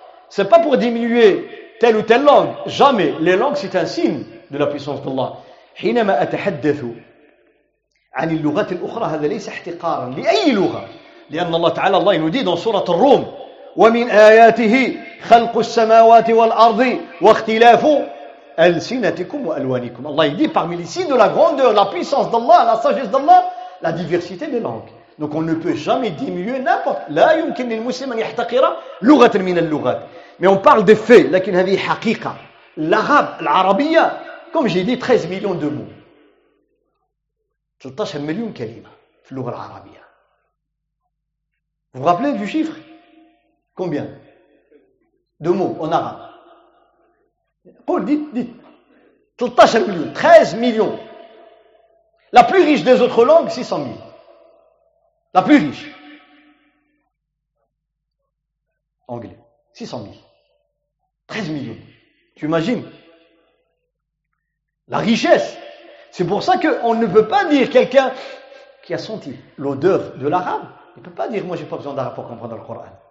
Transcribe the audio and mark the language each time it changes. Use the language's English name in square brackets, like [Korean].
[French] C'est pas pour diminuer telle ou telle langue. Jamais. Les langues, c'est un signe de la puissance d'Allah. [Arabic] حينما أتحدثوا عن اللغات الأخرى هذا ليس احتقارا لأي لغة لأن الله تعالى الله يدين سورة الروم ومن آياته خلق السماوات والأرض واختلاف ألسنتكم وألوانكم الله يدين [French] parmi les signes de la grandeur la puissance d'Allah la sagesse d'Allah la diversité des langues donc on ne peut jamais diminuer n'importe la [Arabic] يمكن للمسلم أن يحتقر لغة من اللغات [French] mais on parle des faits [Arabic] لكن هذه حقيقة [French] l'arabe العربية comme j'ai dit 13 millions de mots [Arabic] 13 مليون كلمة في اللغة العربية. [French] Vous rappelez du chiffre? Combien? De mots en arabe. [Arabic] قول [French] dit [Arabic] 13 مليون 13 مليون. [French] La plus riche des autres langues 600 000. La plus riche. Anglais 600 000. [Arabic] 13 مليون. [French] Tu imagines? La richesse. C'est pour ça qu'on ne peut pas dire quelqu'un qui a senti l'odeur de l'arabe, il ne peut pas dire moi j'ai pas besoin d'arabe pour comprendre le Coran.